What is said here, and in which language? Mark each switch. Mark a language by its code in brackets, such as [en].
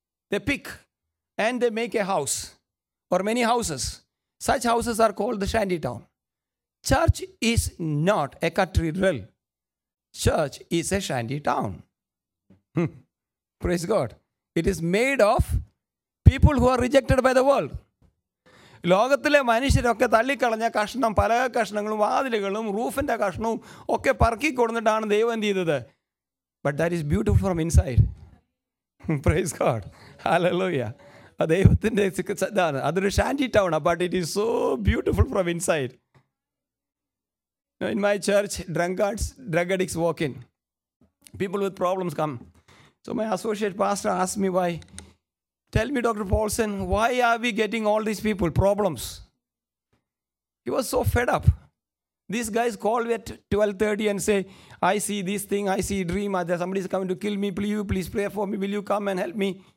[en] They pick and they make a house or many houses. Such houses are called the shanty town. Church is not a cathedral. Church is a shanty town. Praise God. It is made of people who are rejected by the world. [ml] ലോകത്തിലെ മനുഷ്യരൊക്കെ തള്ളിക്കളഞ്ഞ കഷ്ണം, പല കഷ്ണങ്ങളും, വാതിലുകളും, റൂഫിൻ്റെ കഷ്ണവും ഒക്കെ പറക്കി കൊടുത്തിട്ടാണ് ദൈവം എന്ത് ചെയ്തത്? [en] But that is beautiful from inside. Praise God. Hallelujah. [ml] ആ ദൈവത്തിൻ്റെ ഇതാണ്, അതൊരു Shanty town. [en] But it is so beautiful from inside. In my church drunkards, drug addicts walk in, people with problems come. So my associate pastor ask me, why? Tell me, Dr. Paulson, why are we getting all these people, problems? He was so fed up. These guys call at 12:30 and say, I see this thing, I see a dream, somebody is coming to kill me, please pray for me, will you come and help me?